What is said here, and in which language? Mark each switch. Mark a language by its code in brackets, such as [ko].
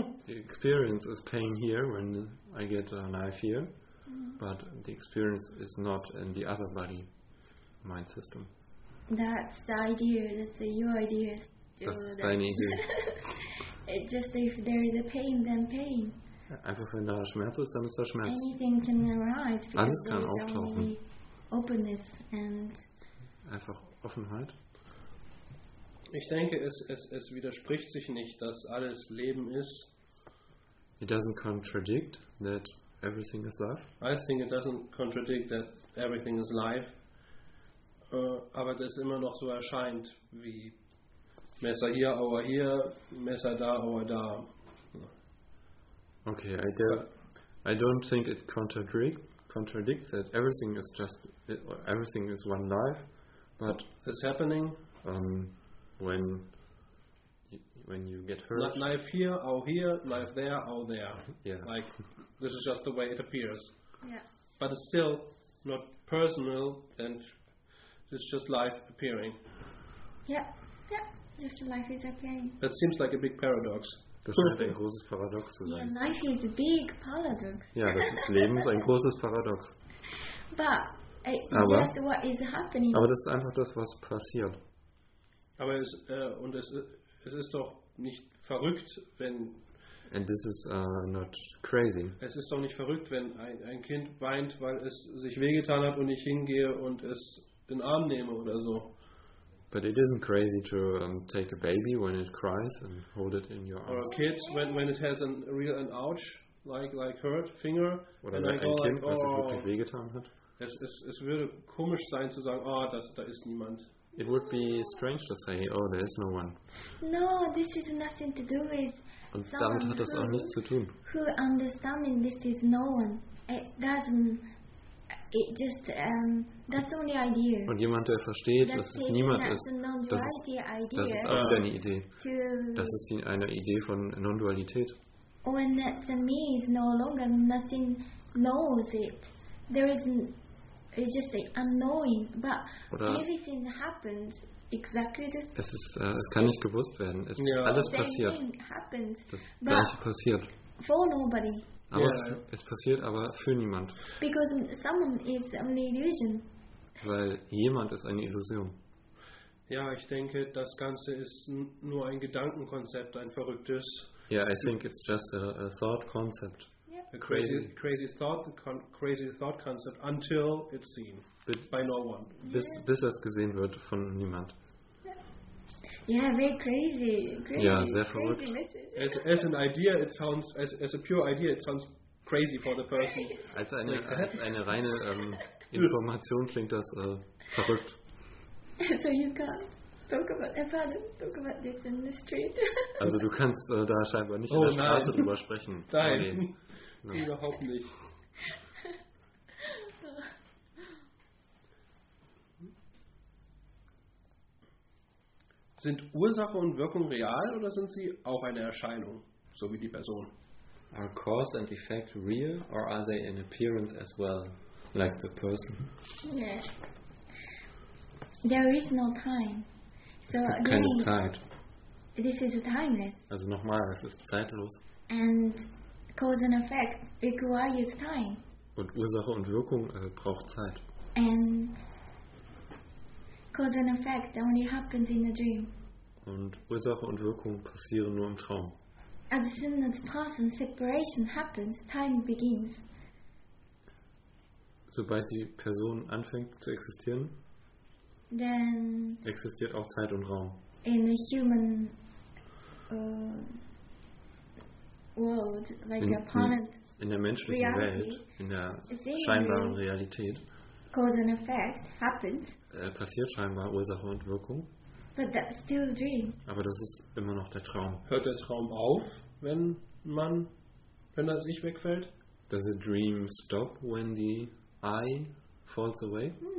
[en] The experience is pain here when I get a knife here, but the experience is not in the other body mind system. That's the idea, that's your idea. [de] Das ist deine Idee. [en] It just if there is a pain, then pain. [de] Einfach wenn da Schmerz ist, dann ist da Schmerz. [en] Anything can arise. [de] Alles kann auftauchen. [en] Openness and [de] einfach Offenheit. Ich denke, es widerspricht sich nicht, dass alles Leben ist. [en] It doesn't contradict that everything is life. I think it doesn't contradict that everything is life. [de] Aber das immer noch so erscheint wie Messer hier, Aua hier, Messer da, Aua da. [en] Okay, I don't think it contradicts that everything is just everything is one life, but it's happening when you get hurt. Not life here, or here, life there, or there. Yeah. Like this is just the way it appears. Yes. But it's still not personal, and it's just life appearing. Yeah, just life is appearing. That seems like a big paradox. [de] Das scheint ein großes Paradox zu sein. [en] Yeah, life is a big paradox. [de] Ja, das Leben ist ein großes Paradox. Aber das ist einfach das, was passiert. Aber es ist doch nicht verrückt, wenn... [en] And this is not crazy. [de] Es ist doch nicht verrückt, wenn ein Kind weint, weil es sich wehgetan hat und ich hingehe und es in den Arm nehme oder so. [en] But it isn't crazy to take a baby when it cries and hold it in your arms. Or a kid when it has an ouch, like hurt finger. [de] Oder ein Kind, was es wirklich wehgetan hat. Es würde komisch sein zu sagen, da ist niemand. [en] It would be strange to say, oh, there is no one. No, this is nothing to do with. [de] Und damit hat das auch nichts zu tun. [en] Who understanding this is no one? It doesn't. It just that's the only idea. [de] Und jemand, der versteht, dass es niemand ist, das ist auch eine Idee. Das ist eine Idee von Non-Dualität. [en] When the me is no longer, nothing knows it. There isn't. It's just unknowing. But everything happens exactly the same. [de] Es kann nicht gewusst werden. Alles passiert. [en] Happens, [de] das Gleiche passiert. [en] For nobody. [de] Aber es passiert aber für niemand. [en] Because someone is an illusion. [de] Weil jemand ist eine Illusion. Ja, ich denke, das Ganze ist nur ein Gedankenkonzept, ein verrücktes. [en] Yeah, I think it's just a thought concept. Yep. A crazy thought concept until it's seen by no one. [de] Bis es gesehen wird von niemand. [en] Yeah, very crazy. [de] Ja, sehr verrückt. [en] As a pure idea, it sounds crazy for the person. [de] Als eine reine Information klingt das verrückt. [en] So you can't talk about this in the street. [de] Also du kannst da scheinbar nicht in der Straße drüber sprechen. Nein, überhaupt nicht. Sind Ursache und Wirkung real oder sind sie auch eine Erscheinung, so wie die Person? [en] Are cause and effect real or are they an appearance as well, like the person? Yeah. There is no time. [de] So es gibt keine Zeit. [en] This is timeless. [de] Also nochmal, es ist zeitlos. [en] And cause and effect requires time. [de] Und Ursache und Wirkung braucht Zeit. [en] And cause and effect only happens in a dream. [de] Und Ursache und Wirkung passieren nur im Traum. [en] As soon as pass and separation happens, time begins. [de] Sobald die Person anfängt zu existieren, [en] then [de] existiert auch Zeit und Raum. [en] In a human world, like in, apparent [de] in der menschlichen [en] reality, [de] Welt, in der scheinbaren Realität, [en] cause and effect happens, [de] passiert scheinbar Ursache und Wirkung. [en] But that's still a dream. [de] Aber das ist immer noch der Traum. Hört der Traum auf, wenn das Ich wegfällt? [en] Does the dream stop when the I falls away?